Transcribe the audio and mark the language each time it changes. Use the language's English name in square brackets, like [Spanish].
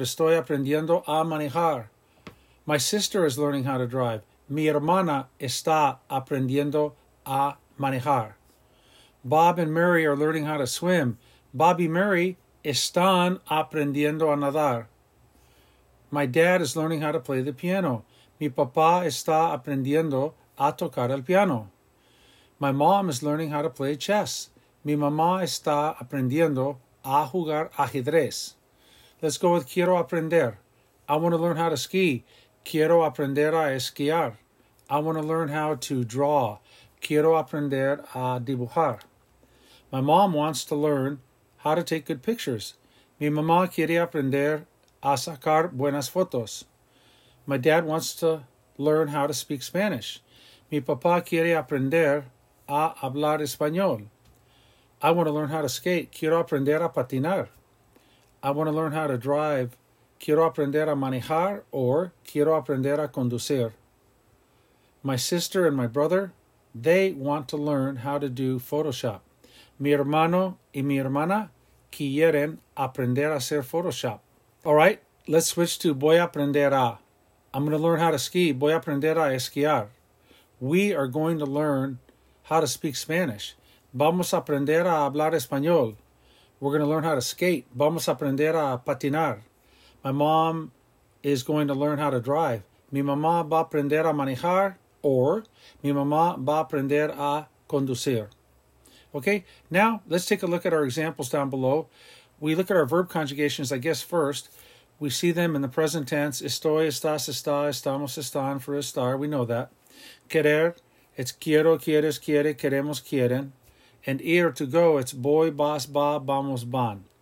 [Spanish] Estoy aprendiendo a manejar. [English] My sister is learning how to drive. [Spanish] Mi hermana está aprendiendo a manejar. [English] Bob and Mary are learning how to swim. [Spanish] Bob y Mary están aprendiendo a nadar. [English] My dad is learning how to play the piano. [Spanish] Mi papá está aprendiendo a tocar el piano. [English] My mom is learning how to play chess. [Spanish] Mi mamá está aprendiendo a jugar ajedrez. [English] Let's go with [Spanish] quiero aprender. [English] I want to learn how to ski. [Spanish] Quiero aprender a esquiar. [English] I want to learn how to draw. [Spanish] Quiero aprender a dibujar. [English] My mom wants to learn how to take good pictures. [Spanish] Mi mamá quiere aprender a sacar buenas fotos. [English] My dad wants to learn how to speak Spanish. [Spanish] Mi papá quiere aprender a hablar español. [English] I want to learn how to skate. [Spanish] Quiero aprender a patinar. [English] I want to learn how to drive. [Spanish] Quiero aprender a manejar or quiero aprender a conducir. [English] My sister and my brother, they want to learn how to do Photoshop. [Spanish] Mi hermano y mi hermana quieren aprender a hacer Photoshop. [English] All right, let's switch to [Spanish] voy a aprender a. [English] I'm going to learn how to ski. [Spanish] Voy a aprender a esquiar. [English] We are going to learn how to speak Spanish. [Spanish] Vamos a aprender a hablar español. [English] We're going to learn how to skate. [Spanish] Vamos a aprender a patinar. [English] My mom is going to learn how to drive. [Spanish] Mi mamá va a aprender a manejar or mi mamá va a aprender a conducir. [English] Okay, now let's take a look at our examples down below. We look at our verb conjugations, I guess, first. We see them in the present tense. [Spanish] Estoy, estás, está, estamos, están, [English] for estar. We know that. Querer, it's [Spanish] quiero, quieres, quiere, queremos, quieren. [English] And ir, to go, it's [Spanish] voy, vas, va, vamos, van.